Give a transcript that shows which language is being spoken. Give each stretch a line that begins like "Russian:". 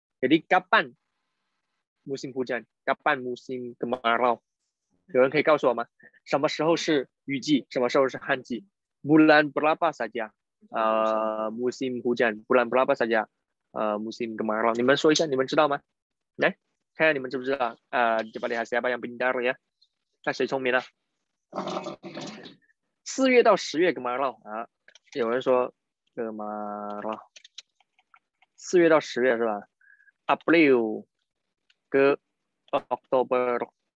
Indonesian: Jadi kapan musim hujan， kapan musim kemarau，
Chinese: 有人可以告诉我吗？什么时候是雨季，什么时候是旱季？
Indonesian: Bulan berapa saja musim hujan， bulan berapa saja musim kemarau，
Chinese: 你们说一下，你们知道吗？来看看你们知不知道啊？这边的还是要不要呀？看谁聪明了。四月到十月 ，Gemarau 啊，有人说 Gemarau。四月到十月是吧 ？April 和 October。